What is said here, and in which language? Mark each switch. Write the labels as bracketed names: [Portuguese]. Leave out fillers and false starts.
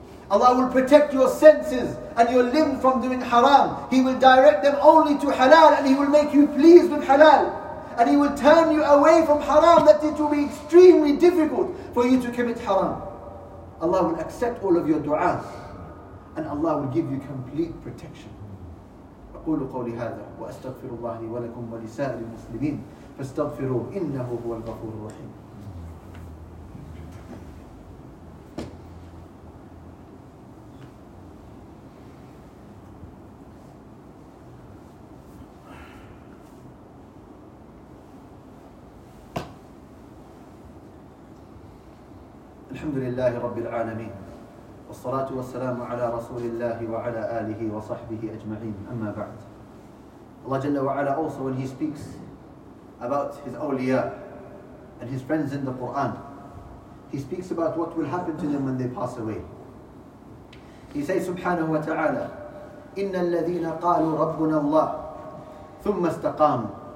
[English] Allah will protect your senses and your limbs from doing haram. He will direct them only to halal, and He will make you pleased with halal. And He will turn you away from haram, that it will be extremely difficult for you to commit haram. Allah will accept all of your du'as, and Allah will give you complete protection. [Arabic] أقول قولي هذا وأستغفر الله لي ولكم ولسائر المسلمين فاستغفروه إنه هو الغفور الرحيم. الحمد لله رب العالمين والصلاة والسلام على رسول الله وعلى آله وصحبه أجمعين أما بعد. [English] Allah Jalla wa Ala, also when He speaks about His awliya and His friends in the Quran, He speaks about what will happen to them when they pass away. He says subhanahu wa ta'ala, [Arabic] إِنَّ الَّذِينَ قَالُوا رَبُّنَا اللَّهِ ثُمَّ اسْتَقَامُوا.